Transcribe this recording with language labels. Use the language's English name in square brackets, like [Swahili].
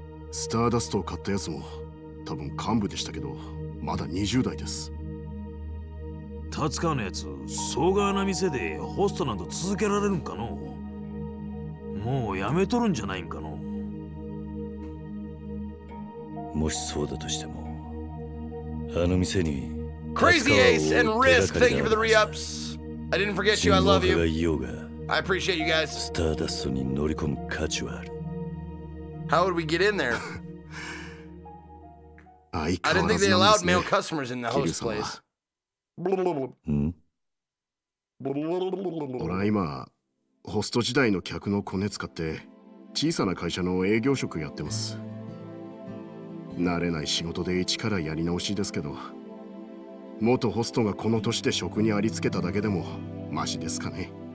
[Japanese] スターダストを買ったやつも多分幹部でしたけど、まだ20代です。タツカのやつ、総合な店でホストなど続けられるんかの。もうやめとるんじゃないんかの。もしそうだとしても、あの店に。 [English] Crazy Ace and Risk, thank you for the re-ups. I didn't forget you, I love you. I appreciate you guys. [Japanese] スターダストに乗り込む価値はある。 [English] How would we get in there? [Japanese] 相変わらずなんですね。 [English] I didn't think they allowed male customers in the host place. [Japanese] ほら今。ホスト時代の客のコネ使って小さな会社の営業職やってます。慣れない仕事で一からやり直しですけど、元ホストがこの年で職にありつけただけでもマシですかね。